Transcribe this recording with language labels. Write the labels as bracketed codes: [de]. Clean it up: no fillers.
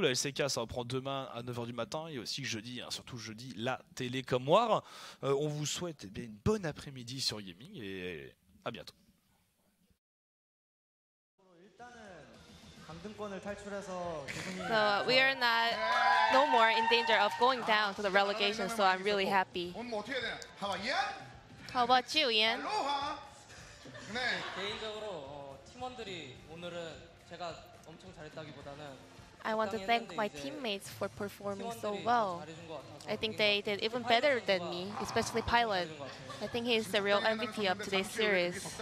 [fr] La LCK, ça reprend demain à 9h du matin. Et aussi jeudi, hein, surtout jeudi, la télé comme war. On vous souhaite eh bien, une bonne après-midi sur Gaming. Et à bientôt. [ko] 강등권을 탈출해서 기분이 [en] we are not no more in danger of going down to the relegation, so I'm really happy. [ko] 오늘 뭐 어떻게 해야 되나? 하와이야? [en] How about you, Ian? [ko] 로하. 네. 개인적으로 팀원들이 오늘은 제가 엄청 잘했다기보다는 [en] I want to thank my teammates for performing so well. I think they did even better than me, especially Pilot. I think he's the real MVP of today's series.